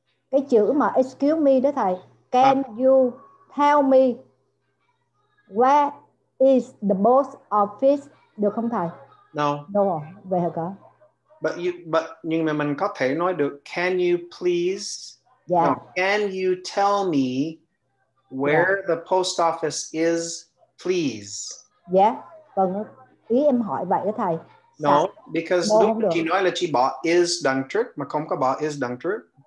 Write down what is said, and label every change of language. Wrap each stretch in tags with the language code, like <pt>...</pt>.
<vi>Cái chữ mà</vi> <en>excuse me</en> <vi>đó thầy,</vi> <en>can you tell me where is the board office,</en> <vi>được không thầy?</vi> <en>No.</en> <vi>No, về hả cả.</vi> <en>But</en> <vi>nhưng mà mình có thể nói được</vi> <en>can you please, yeah. No, can you tell me where, yeah, the post office is please?</en> <vi>Yeah, vâng, ý em hỏi vậy đó thầy.</vi> <en>No, because</en> <vi>lúc chị nói là chị bỏ is đằng trước mà không có bỏ is đằng trước.</vi>